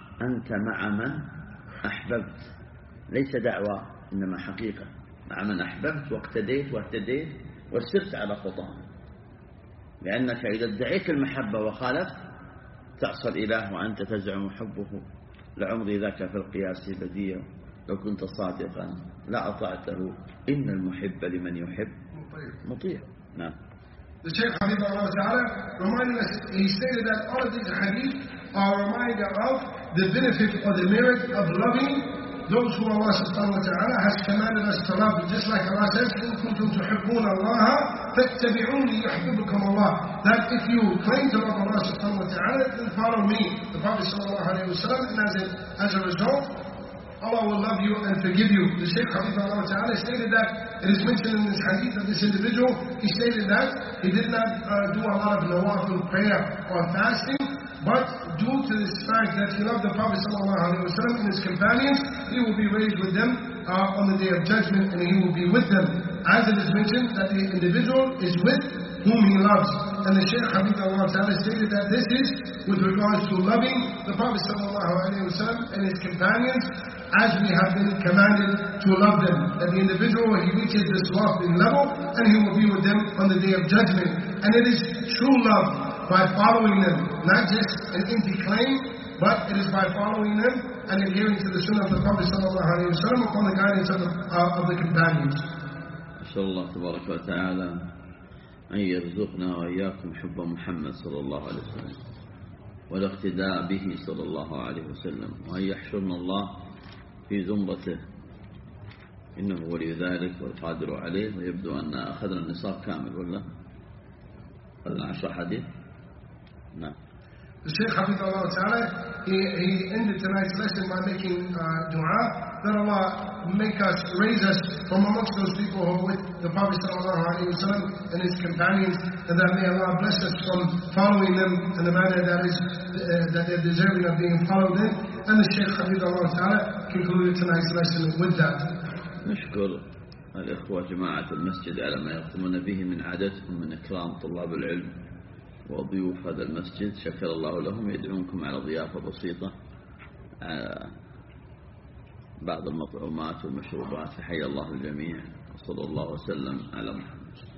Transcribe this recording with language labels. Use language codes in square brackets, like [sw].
[ar] أنت مع من أحببت، ليس دعوة إنما حقيقة، مع من أحببت واقتديت واهتديت وسرت على خطاه. لأنك إذا ادعيت المحبة وخالف تعصى الإله وأنت تزعم حبه. لعمري ذاك في القياس بديع، لو كنت صادقا لا أطعته، إن المحب لمن يحب مطيع. نعم. [en] The Shaykh Habib Allah Ta'ala reminded us, he stated that all of these hadith are a reminder of the benefit or the merit of loving those who Allah Subhanahu wa Ta'ala has commanded us to love. Just like Allah says, إِن كُنْتُمْ تُحِبُّونَ اللَّهَ فَاتَّبِعُونِ يُحْبِبُكُمْ اللَّهُ. That if you claim to love Allah Subhanahu wa Ta'ala, then follow me, the Prophet Sallallahu Alaihi Wasallam, and as a result, Allah will love you and forgive you. The Shaykh Habib Allah Ta'ala stated that, it is mentioned in this hadith of this individual, he stated that he did not do a lot of nawafil prayer or fasting, but due to this fact that he loved the Prophet Sallallahu Alaihi Wasallam and his companions, he will be raised with them on the Day of Judgment, and he will be with them. As it is mentioned that the individual is with whom he loves. And the Shaykh Habib Allah Ta'ala stated that this is with regards to loving the Prophet Sallallahu Alaihi Wasallam and his companions, as we have been commanded to love them. That the individual, he reaches this lofty level, and he will be with them on the Day of Judgment. And it is true love by following them, not just an empty claim, but it is by following them and adhering to the Sunnah of the Prophet Sallallahu Alaihi Wasallam upon the guidance of the companions. [ar] Inshallah Tabaraka wa Ta'ala أن يرزقنا وإياكم حب محمد صلى الله عليه وسلم والاقتداء به صلى الله عليه وسلم، وأن يحشرنا الله في زمرته، إنه ولي ذلك والقادر عليه. ويبدو أن أخذنا النصاب كامل ولا؟ العشر حديث؟ نعم. [en] الشيخ حفظه الله تعالى he ended tonight's lesson by making dua that Allah make us, raise us from amongst those people who are with the Prophet sallallahu alaihi wasallam and his companions, and that may Allah bless us from following them in the manner that is that they're deserving of being followed in. And the Shaykh حفظه الله تعالى concluded tonight's lesson with that. [ar] نشكر الإخوة جماعة المسجد على ما يقومون به من عادتهم من إكرام طلاب العلم وضيوف هذا المسجد، شكر الله لهم، يدعونكم على ضيافة بسيطة على بعض المطعومات والمشروبات، فحيا الله الجميع، صلى الله وسلم على محمد.